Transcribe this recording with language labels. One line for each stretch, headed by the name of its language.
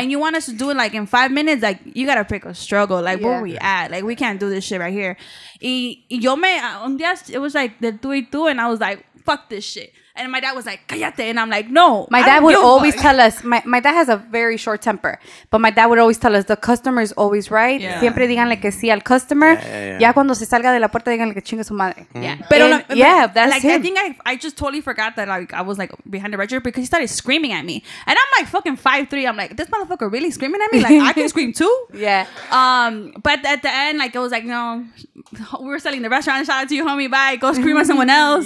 English: And you want us to do it like in 5 minutes? Like, you got to pick a struggle. Like, where we at? Like, we can't do this shit right here.
Spanish: Y yo me, un día,
English: it was like the tú y tú, and I was like, fuck this shit. And my dad was like, callate. And I'm like, no. My dad would always tell us, my dad has a very short temper, but my dad would always tell us, the customer is always right.
Spanish: Yeah. Siempre díganle que sí al customer. Ya cuando se salga de la puerta, díganle que chingue su madre.
English: Yeah. But that's him. I think I just totally forgot that like I was like behind the register because he started screaming at me. And I'm like fucking 5'3". I'm like, this motherfucker really screaming at me? Like, I can scream too? Yeah. But at the end, like, it was like, no, we were selling the restaurant. Shout out to you, homie. Bye. Go scream at someone else.